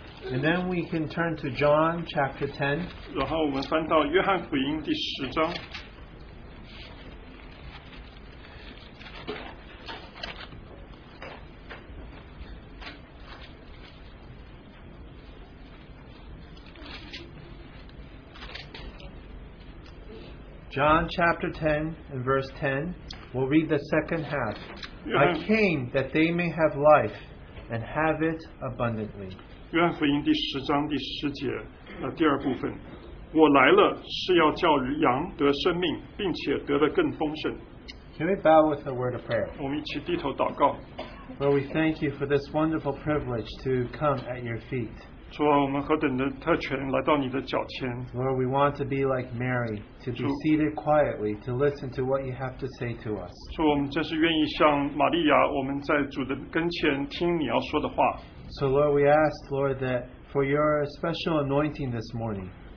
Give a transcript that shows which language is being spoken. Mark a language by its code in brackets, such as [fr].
[en] and then we can turn to John chapter 10. [zh] 然后我们翻到约翰福音第十章。 [en] John chapter 10 and verse 10, we'll read the second half. I came that they may have life and have it abundantly. [zh] 约翰福音第十章第十节，第二部分。我来了是要叫羊得生命, 并且得得更丰盛。 [en] Can we bow with a word of prayer? [zh] 我们一起低头祷告。 [en] Lord, we thank you for this wonderful privilege to come at your feet. [zh] 主啊,我们何等的特权来到你的脚前。 [en] Lord, we want to be like Mary, to be seated quietly, to listen to what you have to say to us. [zh] 主,我们真是愿意像玛利亚,我们在主的跟前听你要说的话。 [en] So Lord, we ask, Lord, that for your special anointing this morning,